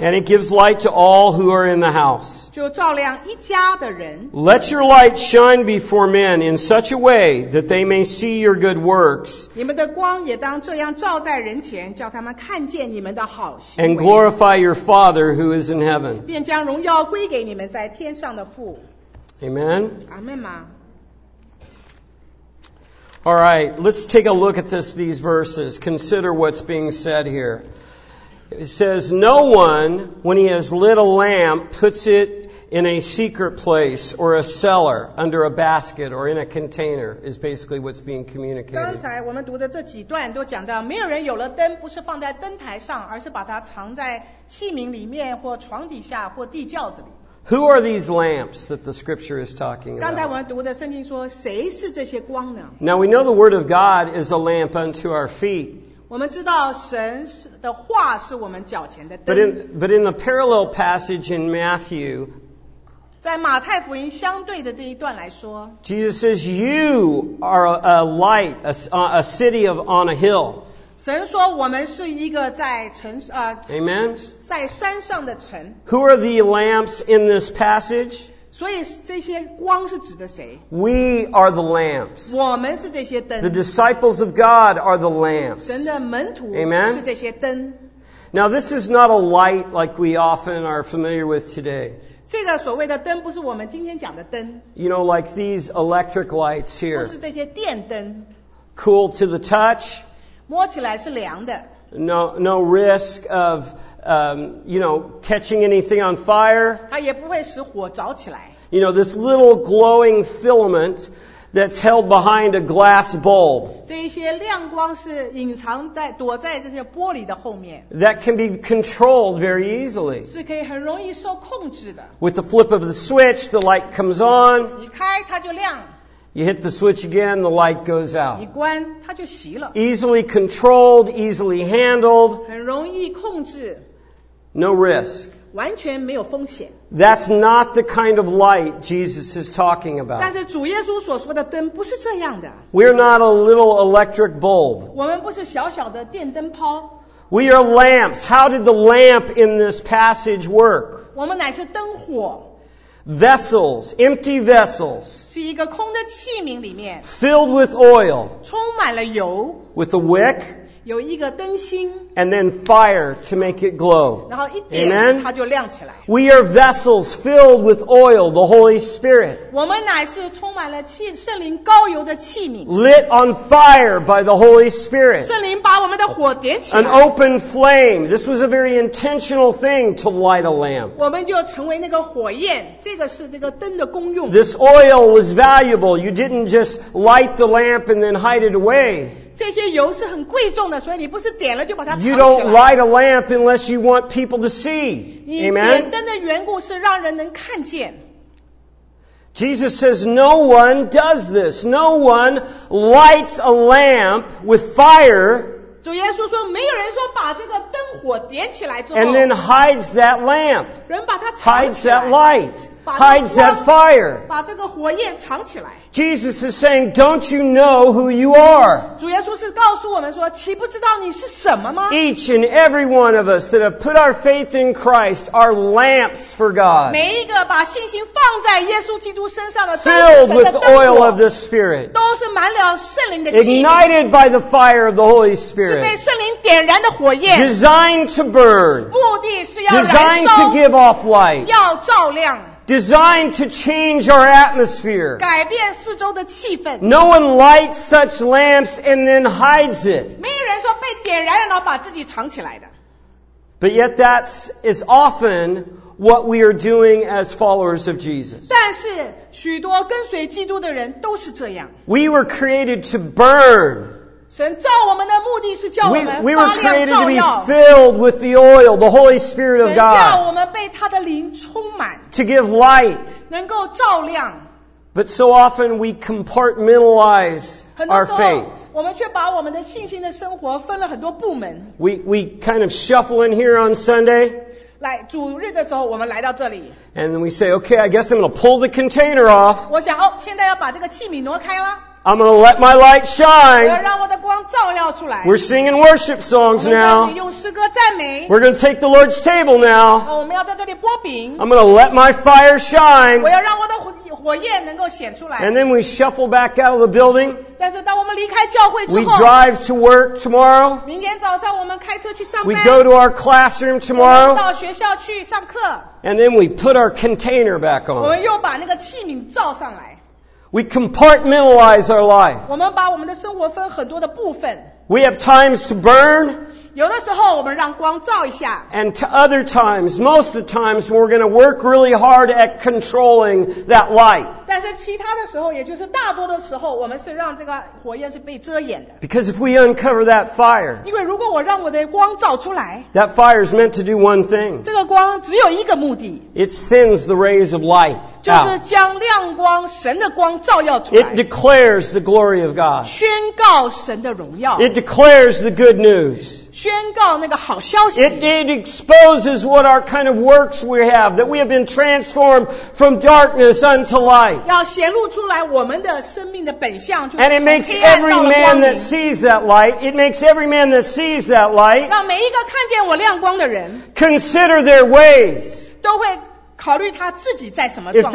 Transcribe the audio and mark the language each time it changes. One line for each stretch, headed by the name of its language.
English: And it gives light to all who are in the house.
Chinese: 就照亮一家的人。
English: Let your light shine before men in such a way that they may see your good works.
Chinese: 你们的光也当这样照在人前，叫他们看见你们的好行为。
English: And glorify your Father who is in heaven.
Chinese: 便将荣耀归给你们在天上的父。
English: Amen. Amen. Alright, let's take a look at these verses. Consider what's being said here. It says, no one, when he has lit a lamp, puts it in a secret place or a cellar under a basket or in a container is basically what's being communicated.
Chinese: 刚才我们读的这几段都讲到，没有人有了灯，不是放在灯台上，而是把它藏在器皿里面或床底下或地窖子里。
English: Who are these lamps that the scripture is talking about?
Chinese: 刚才我们读的圣经说，谁是这些光呢？
English: Now we know the word of God is a lamp unto our feet.
Chinese: 我们知道神的话是我们脚前的灯。
English: But in the parallel passage in Matthew,
Chinese: 在马太福音相对的这一段来说，
English: Jesus says, you are a light, a city of, on a hill.
Chinese: 神说我们是一个在城
English: Amen.
Chinese: 在山上的城。
English: Who are the lamps in this passage?
Chinese: 所以这些光是指的谁？
English: We are the lamps.
Chinese: 我们是这些灯。
English: The disciples of God are the lamps.
Chinese: 神的门徒
English: Amen.
Chinese: 是这些灯。
English: Now this is not a light like we often are familiar with today.
Chinese: 这个所谓的灯不是我们今天讲的灯。
English: You know, like these electric lights here.
Chinese: 不是这些电灯。
English: Cool to the touch.
Chinese: 摸起来是凉的。
English: No risk of, you know, catching anything on fire.
Chinese: 它也不会使火着起来。
English: You know, this little glowing filament that's held behind a glass bulb.
Chinese: 这些亮光是隐藏在躲在这些玻璃的后面。
English: That can be controlled very easily.
Chinese: 是可以很容易受控制的。
English: With the flip of the switch, the light comes on.
Chinese: 一开它就亮。
English: You hit the switch again, the light goes out.
Chinese: 一关它就熄了。
English: Easily controlled, easily handled.
Chinese: 很容易控制。
English: No risk.
Chinese: 完全没有风险。
English: That's not the kind of light Jesus is talking about.
Chinese: 但是主耶稣所说的灯不是这样的。
English: We're not a little electric bulb.
Chinese: 我们不是小小的电灯泡。
English: We are lamps. How did the lamp in this passage work?
Chinese: 我们乃是灯火。
English: Vessels, empty vessels,
Chinese: 是一个空的器皿里面
English: filled with oil,
Chinese: 充满了油
English: with a wick,
Chinese: 有一个灯芯
English: and then fire to make it glow.
Chinese: 然后一点 Amen? 它就亮起来
English: We are vessels filled with oil, the Holy Spirit.
Chinese: 我们乃是充满了气圣灵高油的器皿
English: lit on fire by the Holy Spirit.
Chinese: 圣灵把我们的火点起来
English: An open flame. This was a very intentional thing to light a lamp.
Chinese: 我们就成为那个火焰，这个是这个灯的功用。
English: This oil was valuable. You didn't just light the lamp and then hide it away.
Chinese: 这些油是很贵重的，所以你不是点了就把它藏起来。
English: You don't light a lamp unless you want people to see. Amen.
Chinese: 你点灯的缘故是让人能看见。
English: Jesus says, "No one does this. No one lights a lamp with fire."
Chinese: 主耶稣说，没有人说把这个灯火点起来之后。
English: And then hides that lamp.
Chinese: 人把它藏起来。
English: Hides that light. Hides that fire.
Chinese: 把这个火焰藏起来。
English: Jesus is saying, don't you know who you are?
Chinese: 主耶稣是告诉我们说，岂不知道你是什么吗？
English: Each and every one of us that have put our faith in Christ are lamps for God.
Chinese: 每一个把信心放在耶稣基督身上的都是神的灯火。
English: Filled with the oil of the Spirit.
Chinese: 都是满了圣灵的气。
English: Ignited by the fire of the Holy Spirit.
Chinese: 是被圣灵点燃的火焰。
English: Designed to burn.
Chinese: 目的是要燃烧。
English: Designed to give off light.
Chinese: 要照亮。
English: Designed to change our atmosphere.
Chinese: 改变四周的气氛。
English: No one lights such lamps and then hides it.
Chinese: 没有人说被点燃了然后把自己藏起来的。
English: But yet that's is often what we are doing as followers of Jesus.
Chinese: 但是许多跟随基督的人都是这样。
English: We were created to burn.
Chinese: 神造我们的目的是叫我们发亮照耀。
English: We were created to be filled with the oil, the Holy Spirit of God.
Chinese: 神叫我们被他的灵充满。
English: To give light.
Chinese: 能够照亮。
English: But so often we compartmentalize our faith.
Chinese: 很多时候我们却把我们的信心的生活分了很多部门。
English: We kind of shuffle in here on Sunday.
Chinese: 来主日的时候，我们来到这里。
English: And then we say, okay, I guess I'm going to pull the container off.
Chinese: 我想哦，现在要把这个器皿挪开了。
English: I'm going to let my light shine.
Chinese: 我要让我的光照耀出来。
English: We're singing worship songs now.
Chinese: 我们要用诗歌赞美。
English: We're going to take the Lord's table now.
Chinese: 我们要在这里擘饼。
English: I'm going to let my fire shine.
Chinese: 我要让我的火焰能够显出来。
English: And then we shuffle back out of the building.
Chinese: 但是当我们离开教会之后。
English: We drive to work tomorrow.
Chinese: 明天早上我们开车去上班。
English: We go to our classroom tomorrow.
Chinese: 我们到学校去上课。
English: And then we put our container back on.
Chinese: 我们又把那个器皿照上来。
English: We compartmentalize our life.
Chinese: 我们把我们的生活分很多的部分。
English: We have times to burn.
Chinese: 有的时候我们让光照一下。
English: And to other times, most of the times, we're going to work really hard at controlling that light.
Chinese: 但是其他的时候，也就是大多的时候，我们是让这个火焰是被遮掩的。
English: Because if we uncover that fire,
Chinese: 因为如果我让我的光照出来，
English: that fire is meant to do one thing.
Chinese: 这个光只有一个目的。
English: It sends the rays of light.
Chinese: 就是将亮光神的光照耀出来
English: It declares the glory of God
Chinese: 宣告神的荣耀
English: It declares the good news
Chinese: 宣告那个好消息
English: It exposes what our kind of works we have that we have been transformed from darkness unto light
Chinese: 要显露出来我们的生命的本相
English: And it makes every man that sees that light It makes every man that sees that light
Chinese: 让每一个看见我亮光的人
English: Consider their ways
Chinese: 都会考虑他自己在什么状况。